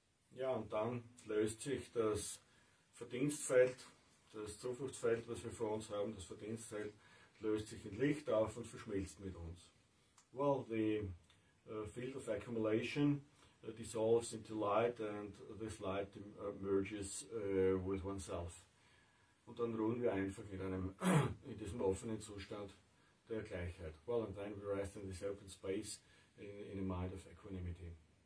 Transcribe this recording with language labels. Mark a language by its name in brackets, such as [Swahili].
[German] Ja, und dann löst sich das Verdienstfeld, das Zufluchtsfeld, was wir vor uns haben, das Verdienstfeld, löst sich in Licht auf und verschmilzt mit uns. [English] Well, the field of accumulation dissolves into light and this light merges with oneself. [German] Und dann ruhen wir einfach in einem in diesem offenen Zustand der Gleichheit. [English] Well, and then we rest in this open space in a mind of equanimity.